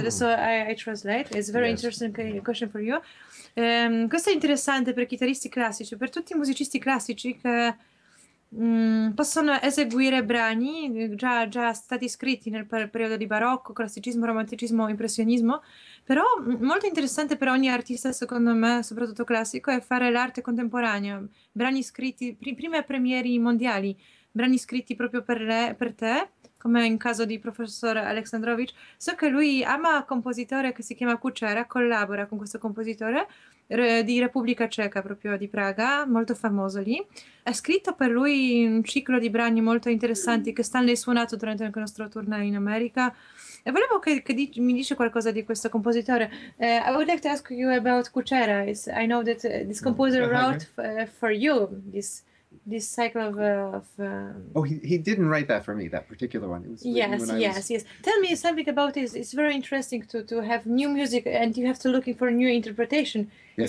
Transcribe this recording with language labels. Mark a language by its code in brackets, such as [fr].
[en] Adesso I translate, it's a very interesting question for you. [it] Questo è interessante per chitarristi classici, per tutti i musicisti classici che Possono eseguire brani già stati scritti nel periodo di barocco, classicismo, romanticismo, impressionismo, però molto interessante per ogni artista, secondo me, soprattutto classico, è fare l'arte contemporanea, brani scritti, prime premiere mondiali, brani scritti proprio per te, come in caso di professor Aleksandrovic. So che lui ama un compositore che si chiama Kučera, collabora con questo compositore di Repubblica Ceca, proprio di Praga, molto famoso lì. Ha scritto per lui un ciclo di brani molto interessanti che Stanley ha suonato durante il nostro tour in America. E volevo che mi dice qualcosa di questo compositore. [en] I would like to ask you about Kučera. I know that this composer wrote for you this cycle of he didn't write that for me, that particular one. It was yes. Tell me something about this. It's very interesting to have new music, and you have to looking for a new interpretation. Yes.